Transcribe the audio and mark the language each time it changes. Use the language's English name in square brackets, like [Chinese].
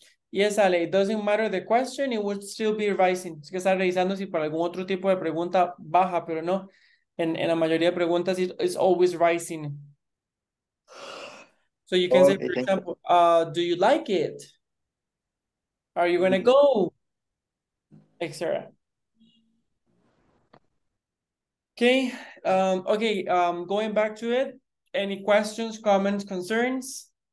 [English] Yes, Ale, it doesn't matter the question, it would still be rising. [Spanish] Es que está revisando si para algún otro tipo de pregunta baja, pero no. En la mayoría de preguntas, [English] it's always rising. So you can say, for example, do you like it? Are you going to go? Etc. Okay, going back to it, any questions, comments, concerns?